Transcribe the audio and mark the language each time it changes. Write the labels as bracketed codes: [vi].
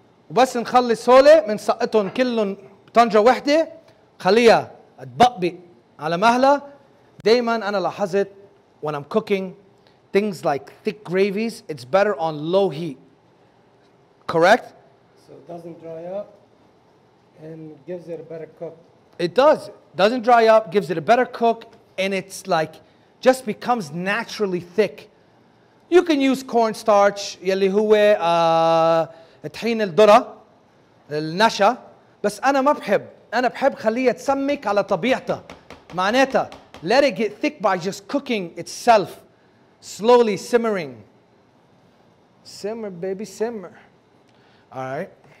[ar] وبس نخلص هولي من سقطهم كلهم بطنجرة واحدة خليها تبقبق على مهلها. دايما أنا لاحظت [en] when I'm cooking things like thick gravies, it's better on low heat. Correct? So it doesn't dry up and gives it a better cook. It does. It doesn't dry up, gives it a better cook, and it's like just becomes naturally thick. You can use cornstarch, [ar] يلي هو طحين الذرة النشا, بس أنا ما بحب. أنا بحب خليها تسمك على طبيعتها. [en] معناتها let it get thick by just cooking itself, slowly simmering. Simmer, baby, simmer. All right.